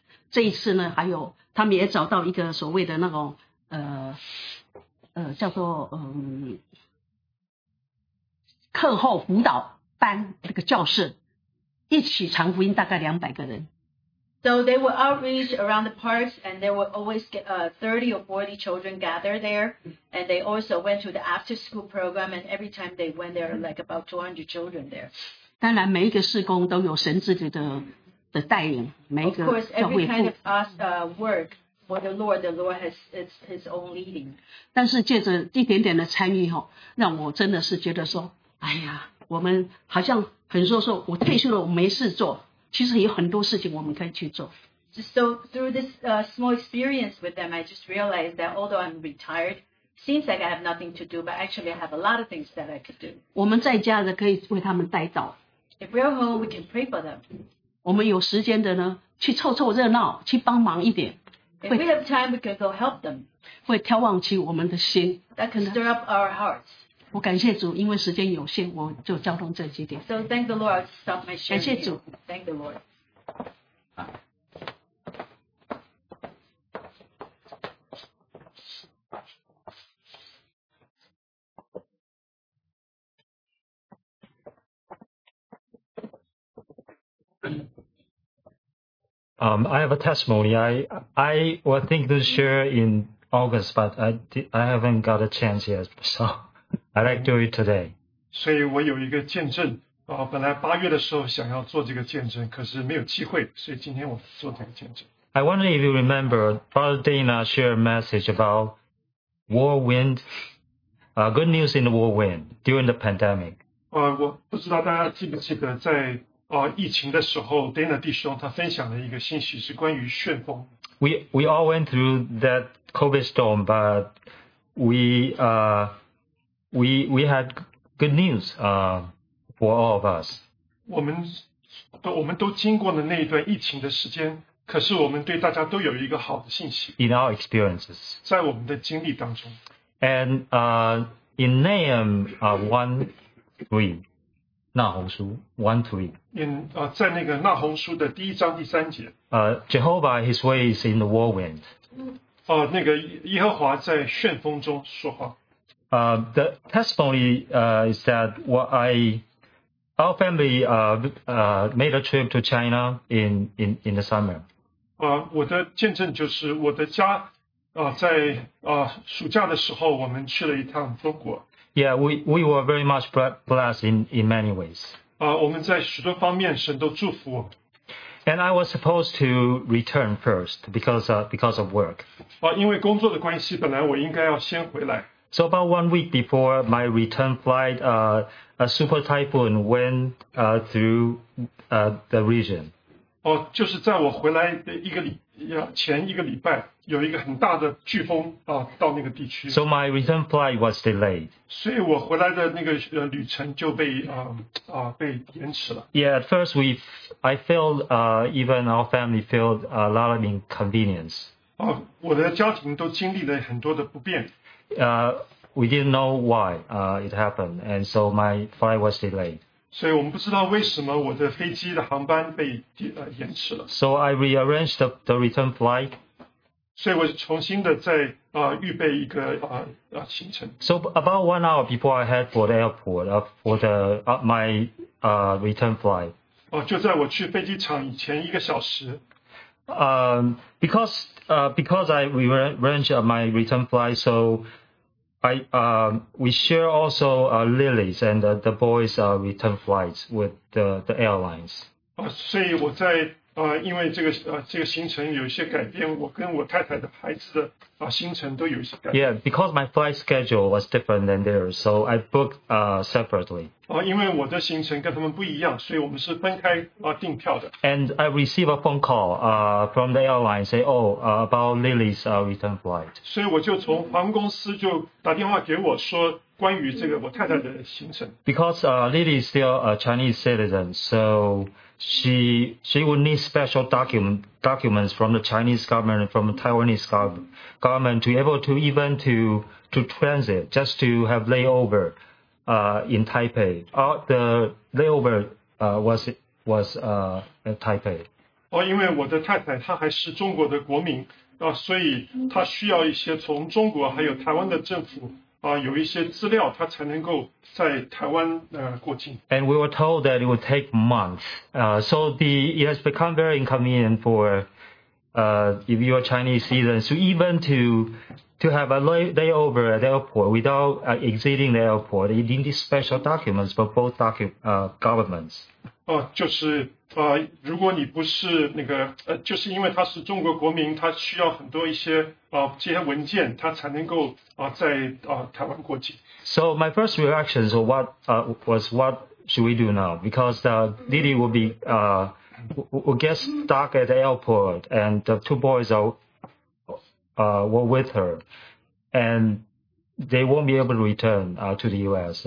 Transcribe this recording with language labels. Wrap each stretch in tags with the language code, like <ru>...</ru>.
<zh>这一次呢，还有他们也找到一个所谓的那种叫做课后辅导班那个教室，一起传福音大概200个人。</zh> <en>So they will outreach around the parks, and there will always get 30 or 40 children gathered there. And they also went to the after-school program, and every time they went there, like about 200 children there.</en> <zh>当然，每一个事工都有神自己的带领，每一个教会部。</zh> <en>Of course, every kind of work for the Lord has it's His own leading.</en> <zh>但是借着一点点的参与，让我真的是觉得说。哎呀，我们好像很多时候我退休了我没事做，其实有很多事情我们可以去做。</zh> <en>Just so through this small experience with them, I just realized that although I'm retired, seems like I have nothing to do, but actually I have a lot of things that I could do.</en> <zh>我们在家的可以为他们代祷。</zh> <en>If we're home, we can pray for them.</en> <zh>我们有时间的呢，去凑凑热闹，去帮忙一点。</zh> <en>If we have time, we can go help them.</en> <zh>会眺望起我们的心。</zh> <en>That can stir up our hearts.</en> <zh>我感谢主，因为时间有限，我就交通这几点。</zh> <en>So thank the Lord, I'll stop my sharing.</en> <zh>感谢主。</zh> <en>Thank the Lord. 、I have a testimony. I was thinking to share in August, but I haven't got a chance yet. So I like to do it today.</en> <zh>所以我有一个见证、本来八月的时候想要做这个见证，可是没有机会，所以今天我做这个见证。</zh> <en>I wonder if you remember Father Dana shared a message about whirlwind, good news in the whirlwind during the pandemic.</en> <zh>我不知道大家记不记得在。疫情的时候 ，Dana 弟兄他分享了一个信息，是关于旋风。</zh> <en>We all went through that COVID storm, but we had good news for all of us.</en> <zh>我们都经过了那一段疫情的时间，可是我们对大家都有一个好的信息。</zh> <en>In our experiences,</en> <zh>在我们的经历当中。</zh> <en>And in Nahum 1:3.</en> <zh>纳鸿书 1:3 在那个纳鸿书的第一章第三节</zh> <en>Jehovah his way is in the whirlwind、</en> <zh>那个耶和华在旋风中说话</zh> <en>The testimony is that our family made a trip to China in the summer、</en> <zh>我的见证就是我的家、在、暑假的时候我们去了一趟中国。</zh> <en>Yeah, we were very much blessed in many ways.</en> <zh>我们在许多方面神都祝福我。</zh> <en>And I was supposed to return first because of work.</en> <zh>因为工作的关系，本来我应该要先回来。</zh> <en>So about 1 week before my return flight, a super typhoon went through the region.</en> <zh>就是在我回来的前一个礼拜。有一个很大的飓风、到那个地区。</zh> <en>So my return flight was delayed.</en> <zh>所以我回来的那个、旅程就被、被延迟了。</zh> <en>Yeah, at first I felt even our family felt a lot of inconvenience.</en> <zh>我的家庭都经历了很多的不便。</zh> <en>We didn't know why it happened, and so my flight was delayed.</en> <zh>所以我们不知道为什么我的飞机的航班被、延迟了。</zh> <en>So I rearranged the return flight.</en> <zh>所以我重新的在、预备一个、行程。</zh> <en>So about 1 hour before I head for the airport for the my return flight.</en> <zh>就在我去飞机场以前一个小时。</zh> <en>Because I rearranged my return flight, so we share also Lily's and the boys' return flights with the airlines.</en> <zh>所以我在。因为这个行程有一些改变，我跟我太太的孩子的行程都有一些改变。</zh> <en>Yeah, because my flight schedule was different than theirs, so I booked separately.</en> <zh>因为我的行程跟他们不一样，所以我们是分开订票的。</zh> <en>And I received a phone call from the airline say, about Lily's return flight.</en> <zh>所以我就从航空公司就打电话给我说关于这个我太太的行程。</zh> <en>Because Lily is still a Chinese citizen, so. She would need special documents from the Chinese government and from the Taiwanese government to be able to even to transit just to have layover in Taipei. The layover was in Taipei.</en> <zh>因为我的太太她还是中国的国民、所以她需要一些从中国还有台湾的政府有一些资料他才能够在台湾过境。</zh> <en>And we were told that it would take months. So it has become very inconvenient for if you are Chinese citizens to even to have a layover at the airport without exiting the airport. You need these special documents for both governments.</en> <zh>就是如果你不是那个就是因为他是中国国民他需要很多一些这些文件他才能够在台湾过境。</zh> <en>So my first reaction was what should we do now? Because Lily will be will get stuck at the airport, and the two boys were with her, and they won't be able to return to the U.S.</en>